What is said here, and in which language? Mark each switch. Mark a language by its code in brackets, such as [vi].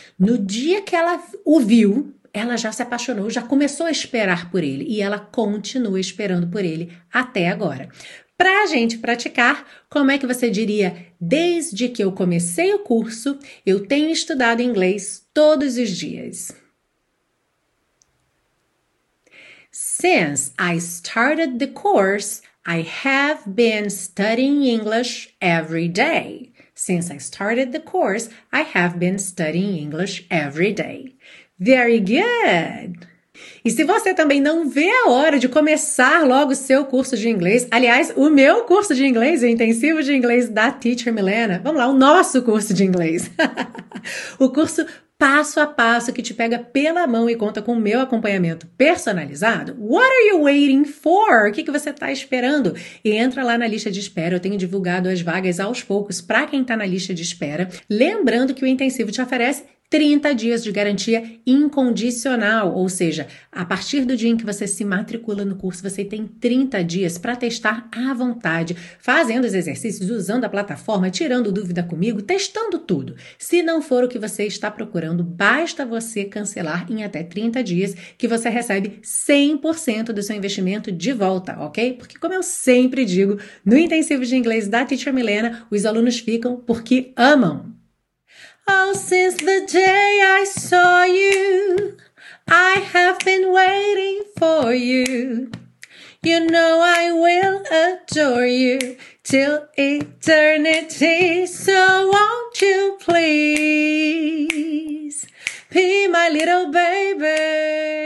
[pt] No dia que ela o viu, ela já se apaixonou, já começou a esperar por ele e ela continua esperando por ele até agora. Para a gente praticar, como é que você diria, desde que eu comecei o curso, eu tenho estudado inglês todos os dias? [en] Since I started the course, I have been studying English every day. Since I started the course, I have been studying English every day. Very good! [pt] E se você também não vê a hora de começar logo o seu curso de inglês, aliás, o meu curso de inglês, o intensivo de inglês da Teacher Milena, vamos lá, o nosso curso de inglês, o curso passo a passo que te pega pela mão e conta com o meu acompanhamento personalizado, [en] what are you waiting for? [pt] O que você está esperando? E entra lá na lista de espera, eu tenho divulgado as vagas aos poucos para quem está na lista de espera, lembrando que o intensivo te oferece 30 dias de garantia incondicional, ou seja, a partir do dia em que você se matricula no curso, você tem 30 dias para testar à vontade, fazendo os exercícios, usando a plataforma, tirando dúvida comigo, testando tudo. Se não for o que você está procurando, basta você cancelar em até 30 dias, que você recebe 100% do seu investimento de volta, ok? Porque como eu sempre digo, no intensivo de inglês da Teacher Milena, os alunos ficam porque amam. [en] Oh, since the day I saw you, I have been waiting for you. You know I will adore you till eternity. So won't you please be my little baby?